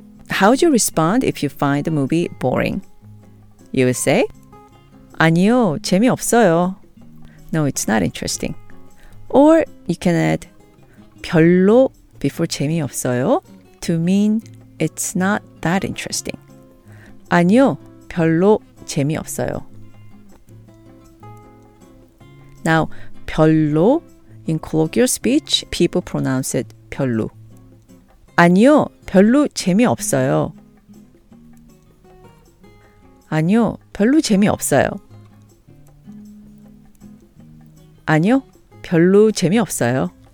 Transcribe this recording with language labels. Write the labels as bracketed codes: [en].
[en] How would you respond if you find the movie boring? You would say, 아니요, 재미없어요. No, it's not interesting. Or you can add 별로 before 재미없어요 to mean it's not that interesting. [ko] 아니요, 별로 재미없어요. [en] Now, 별로, in colloquial speech, people pronounce it 별로. [ko] 아니요, 별로 재미없어요. 아니요, 별로 재미없어요. 아니요, 별로 재미없어요.